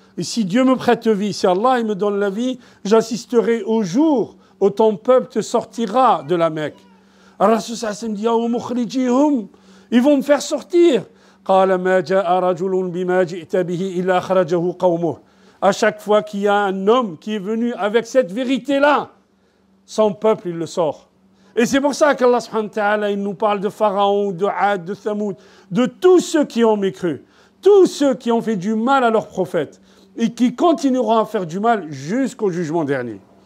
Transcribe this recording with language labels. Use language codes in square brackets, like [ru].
[fr] Et si Dieu me prête vie, si Allah il me donne la vie, j'assisterai au jour où ton peuple te sortira de la Mecque. Alors, Rasoul Sassim dit, « Oh, moukhrijihum, ils vont me faire sortir. » [ar] قال ما جاء رجل بما جئت به إلا أخرجه قومه. [fr] À chaque fois qu'il y a un homme qui est venu avec cette vérité-là, son peuple, il le sort. Et c'est pour ça qu'Allah subhanahu wa ta'ala, il nous parle de Pharaon, de Had, de Thamoud, de tous ceux qui ont mécru, tous ceux qui ont fait du mal à leur prophète et qui continueront à faire du mal jusqu'au jugement dernier.